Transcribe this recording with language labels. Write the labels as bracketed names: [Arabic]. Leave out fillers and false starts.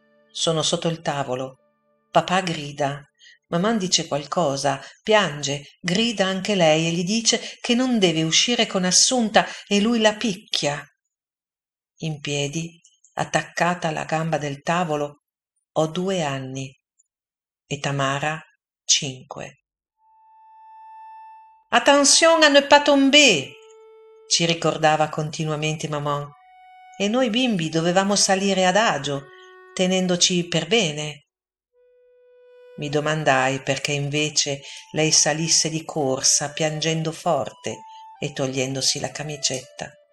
[Italian] Sono sotto il tavolo. Papà grida. Mamma dice qualcosa, piange, grida anche lei e gli dice che non deve uscire con Assunta e lui la picchia. In piedi, attaccata alla gamba del tavolo, ho 2 anni e Tamara 5. [French] «Attention à ne pas tomber!» [Italian] ci ricordava continuamente mamma. «E noi bimbi dovevamo salire adagio, tenendoci per bene». Mi domandai perché invece lei salisse di corsa piangendo forte e togliendosi la camicetta.